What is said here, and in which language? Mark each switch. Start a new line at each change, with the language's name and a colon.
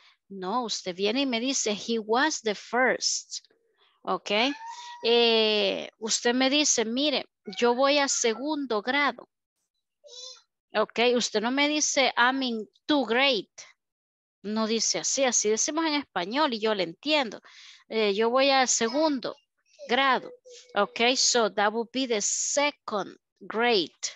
Spanish: No, usted viene y me dice
English: he was the first.
Spanish: Ok, usted me dice, mire, yo voy a segundo grado. Ok, usted no me dice
English: I'm in too great.
Spanish: No dice así, así decimos en español y yo le entiendo. Yo voy al segundo grado.
English: Ok, so that would be the second grade.